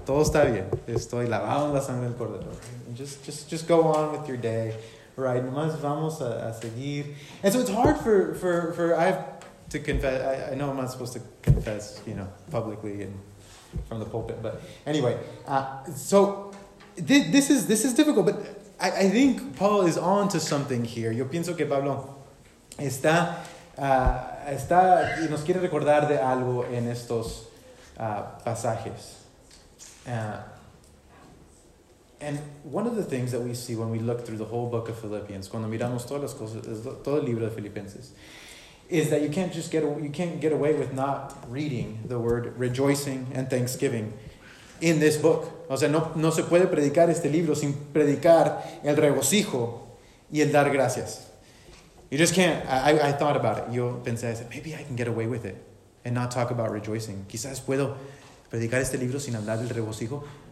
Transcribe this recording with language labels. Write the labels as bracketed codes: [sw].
[es] Todo está bien, estoy lavando la sangre del Cordero. [en] Just go on with your day, right? [es] Nomás vamos a seguir. [en] And so it's hard for I have to confess, I know I'm not supposed to confess, you know, publicly and from the pulpit, but anyway. So this is difficult, but I think Paul is on to something here. [es] Yo pienso que Pablo está y nos quiere recordar de algo en estos pasajes. [en] And one of the things that we see when we look through the whole book of Philippians, [es] cuando miramos todas las cosas, todo el libro de Filipenses, [en] is that you can't get away with not reading the word rejoicing and thanksgiving in this book. [es] O sea, no se puede predicar este libro sin predicar el regocijo y el dar gracias. [en] You just can't. I thought about it. [es] Yo pensé, [en] I said, maybe I can get away with it and not talk about rejoicing. [es] Quizás puedo predicar este libro sin hablar del regocijo.